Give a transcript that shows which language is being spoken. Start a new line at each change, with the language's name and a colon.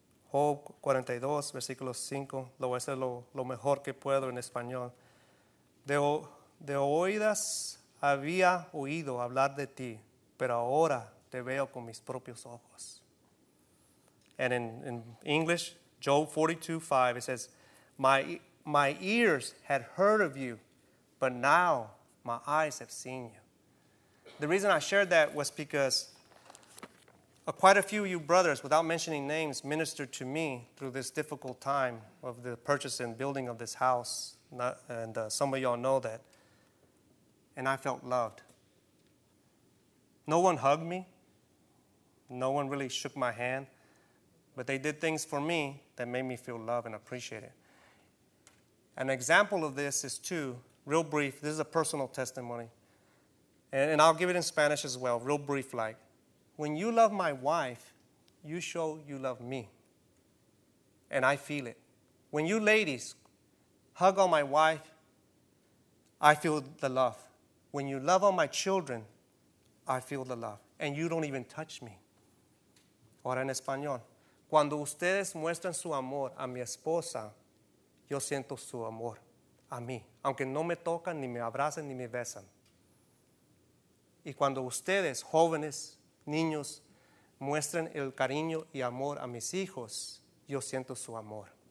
Spanish: Job 42, versículo 5. Lo voy a hacer lo mejor que puedo en español. De oídas había oído hablar de ti, pero ahora te veo con mis propios ojos.
English: And in English, Job 42:5, it says, my ears had heard of you, but now my eyes have seen you. The reason I shared that was because quite a few of you brothers, without mentioning names, ministered to me through this difficult time of the purchase and building of this house. And some of y'all know that. And I felt loved. No one hugged me. No one really shook my hand. But they did things for me that made me feel loved and appreciated. An example of this is too, real brief, this is a personal testimony. And I'll give it in Spanish as well, real brief like. When you love my wife, you show you love me. And I feel it. When you ladies hug on my wife, I feel the love. When you love on my children, I feel the love. And you don't even touch me.
Spanish: Ahora en español. Cuando ustedes muestran su amor a mi esposa, yo siento su amor a mí. Aunque no me tocan, ni me abrazan, ni me besan. Y cuando ustedes, jóvenes, niños, muestran el cariño y amor a mis hijos, yo siento su amor.